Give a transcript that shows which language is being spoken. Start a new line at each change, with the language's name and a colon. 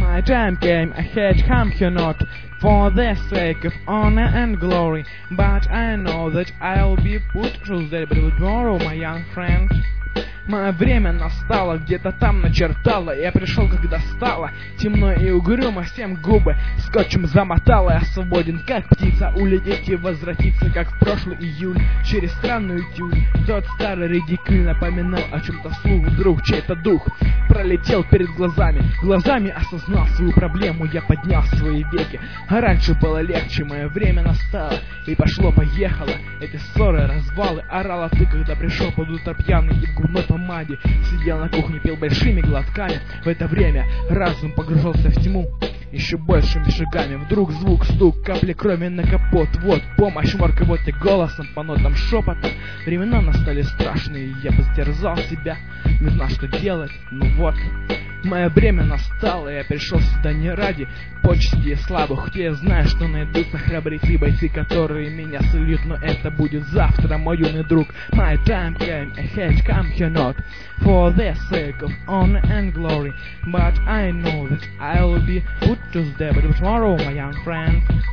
English: time came ahead, come here not for the sake of honor and glory, but I know that I'll be put through there by the tomorrow, my young friend.
Russian: Мое время настало, где-то там начертало. Я пришел, когда стало темно и угрюмо, всем губы скотчем замотало. Я свободен, как птица, улететь и возвратиться, как в прошлый июль, через странную тюль. Тот старый редикюль напоминал о чем-то вслух, вдруг чей-то дух пролетел перед глазами. Глазами осознал свою проблему, я поднял свои веки. А раньше было легче, мое время настало и пошло-поехало. Эти ссоры, развалы, орала ты, когда пришел под утро пьяный и в губной помаде. Сидел на кухне, пил большими глотками. В это время разум погружался в тьму еще большими шагами. Вдруг звук, стук, капли крови на капот. Вот помощь, морка, вот и голосом по нотам шепота. Времена настали страшные, я подтерзал себя, не знал, что делать, ну вот. Мое время настало, я пришел сюда не ради почести и славы, хоть я знаю, что найдутся храбрецы, бойцы, которые меня сольют, но это будет завтра, мой юный друг.
English: My time came ahead, come here not for the sake of honor and glory, but I know that I'll be put to death tomorrow, my young friend.